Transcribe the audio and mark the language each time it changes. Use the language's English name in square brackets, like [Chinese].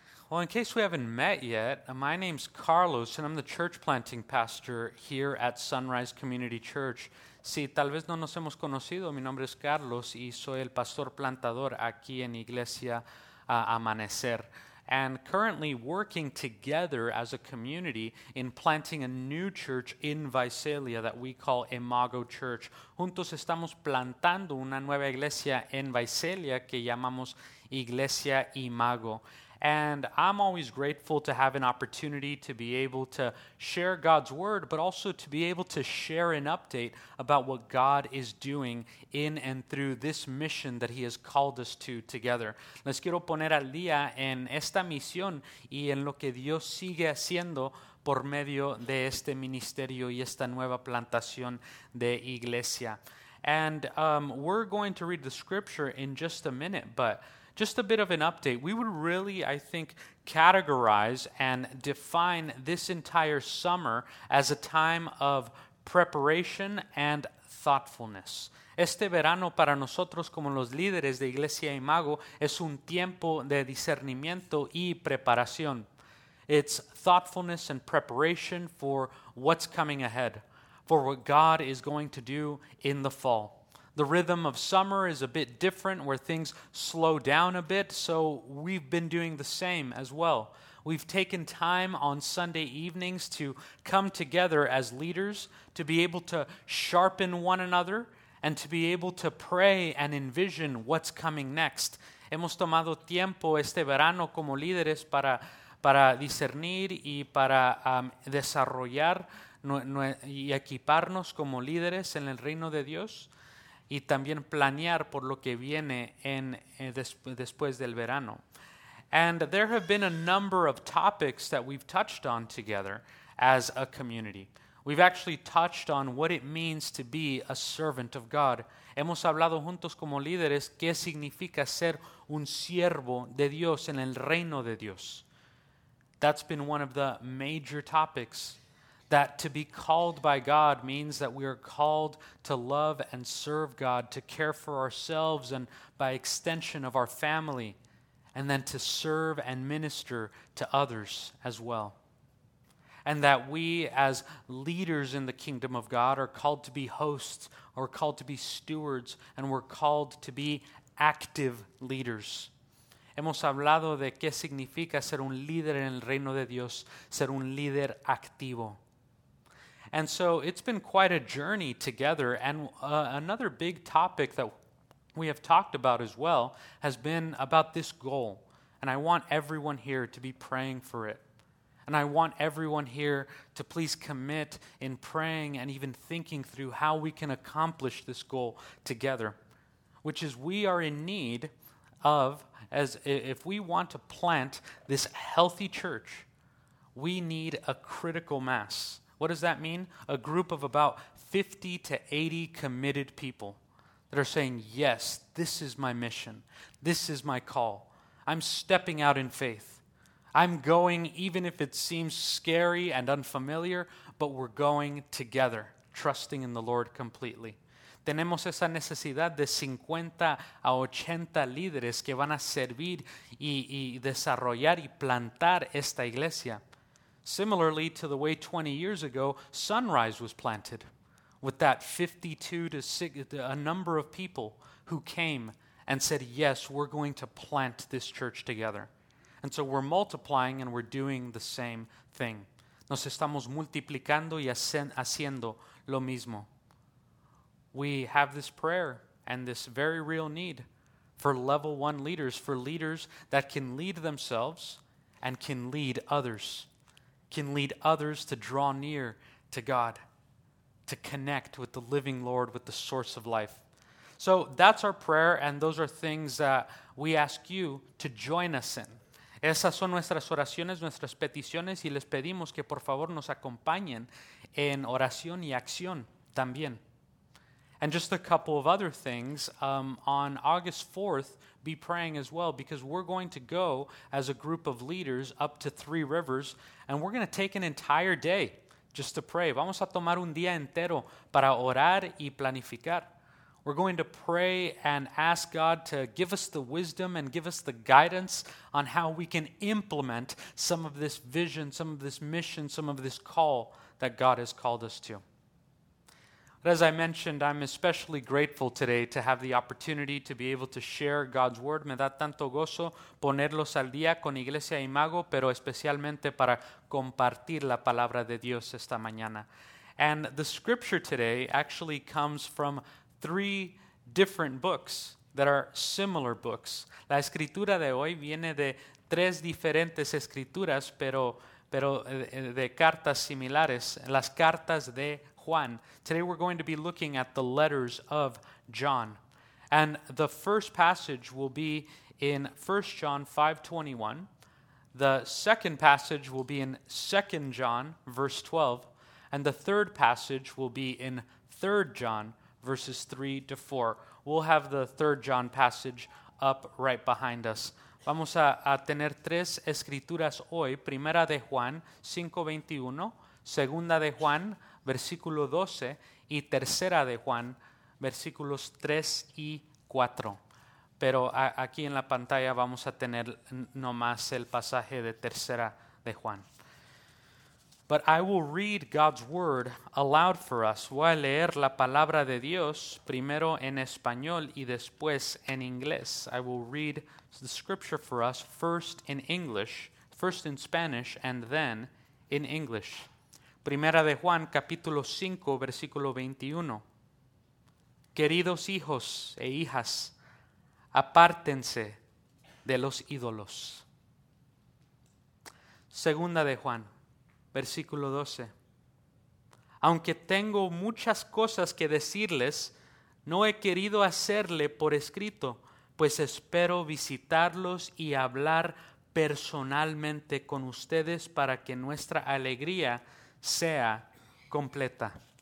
[English] Well, in case we haven't met yet, my name's Carlos, and I'm the church planting pastor here at Sunrise Community Church. [Spanish] Sí, tal vez no nos hemos conocido. Mi nombre es Carlos, y soy el pastor plantador aquí en Iglesia Amanecer. [English] And currently working together as a community in planting a new church in Visalia that we call Imago Church. [Spanish] Juntos estamos plantando una nueva iglesia en Visalia que llamamos Iglesia Imago. [English] And I'm always grateful to have an opportunity to be able to share God's word, but also to be able to share an update about what God is doing in and through this mission that he has called us to together. [Spanish] Les quiero poner al día en esta misión y en lo que Dios sigue haciendo por medio de este ministerio y esta nueva plantación de iglesia. [English] And we're going to read the scripture in just a minute, but just a bit of an update. We would really, I think, categorize and define this entire summer as a time of preparation and thoughtfulness. [Spanish] Este verano para nosotros como los líderes de Iglesia Imago es un tiempo de discernimiento y preparación. [English] It's thoughtfulness and preparation for what's coming ahead, for what God is going to do in the fall. The rhythm of summer is a bit different, where things slow down a bit, so we've been doing the same as well. We've taken time on Sunday evenings to come together as leaders, to be able to sharpen one another, and to be able to pray and envision what's coming next. [Spanish] Hemos tomado tiempo este verano como líderes para discernir y para desarrollar y equiparnos como líderes en el reino de Dios. Y también planear por lo que viene en después del verano. [English] And there have been a number of topics that we've touched on together as a community. We've actually touched on what it means to be a servant of God. [Spanish] Hemos hablado juntos como líderes qué significa ser un siervo de Dios en el reino de Dios. [English] That's been one of the major topics. That to be called by God means that we are called to love and serve God, to care for ourselves and by extension of our family, and then to serve and minister to others as well. And that we as leaders in the kingdom of God are called to be hosts, or called to be stewards, and we're called to be active leaders. [Spanish] Hemos hablado de qué significa ser un líder en el reino de Dios, ser un líder activo. [English] And so it's been quite a journey together, and another big topic that we have talked about as well has been about this goal, and I want everyone here to be praying for it, and I want everyone here to please commit in praying and even thinking through how we can accomplish this goal together, which is we are in need of, as if we want to plant this healthy church, we need a critical mass. What does that mean? A group of about 50 to 80 committed people that are saying, yes, this is my mission. This is my call. I'm stepping out in faith. I'm going, even if it seems scary and unfamiliar, but we're going together, trusting in the Lord completely. [Spanish] Tenemos esa necesidad de 50 a 80 líderes que van a servir y desarrollar y plantar esta iglesia. [English] Similarly to the way 20 years ago, Sunrise was planted with that 52 to 6, a number of people who came and said, yes, we're going to plant this church together. And so we're multiplying and we're doing the same thing. [Spanish] Nos estamos multiplicando y haciendo lo mismo. [English] We have this prayer and this very real need for level one leaders, for leaders that can lead themselves and can lead others. Can lead others to draw near to God, to connect with the living Lord, with the source of life. So that's our prayer, and those are things that we ask you to join us in. [Spanish] Esas son nuestras oraciones, nuestras peticiones, y les pedimos que por favor nos acompañen en oración y acción también. [English] And just a couple of other things, on August 4th, be praying as well, because we're going to go as a group of leaders up to Three Rivers, and we're going to take an entire day just to pray. [Spanish] Vamos a tomar un día entero para orar y planificar. [English] We're going to pray and ask God to give us the wisdom and give us the guidance on how we can implement some of this vision, some of this mission, some of this call that God has called us to. But as I mentioned, I'm especially grateful today to have the opportunity to be able to share God's word. [Spanish] Me da tanto gozo ponerlos al día con Iglesia Imago, pero especialmente para compartir la palabra de Dios esta mañana. [English] And the scripture today actually comes from three different books that are similar books. [Spanish] La escritura de hoy viene de tres diferentes escrituras, pero de cartas similares, las cartas de Juan. [English] Today we're going to be looking at the letters of John. And the first passage will be in 1 John 5:21. The second passage will be in 2 John, verse 12. And the third passage will be in 3 John, verses 3 to 4. We'll have the 3 John passage up right behind us. [Spanish] Vamos a tener tres escrituras hoy. Primera de Juan 5:21, segunda de Juan, versículo 12, y tercera de Juan, versículos 3 y 4. Pero aquí en la pantalla vamos a tener nomás el pasaje de tercera de Juan. [English] But I will read God's word aloud for us. [Spanish] Voy a leer la palabra de Dios primero en español y después en inglés. [English] I will read the scripture for us first in English, first in Spanish, and then in English. [Spanish] Primera de Juan, capítulo 5, versículo 21. Queridos hijos e hijas, apártense de los ídolos. Segunda de Juan, versículo 12. Aunque tengo muchas cosas que decirles, no he querido hacerle por escrito, pues espero visitarlos y hablar personalmente con ustedes para que nuestra alegría sea completa.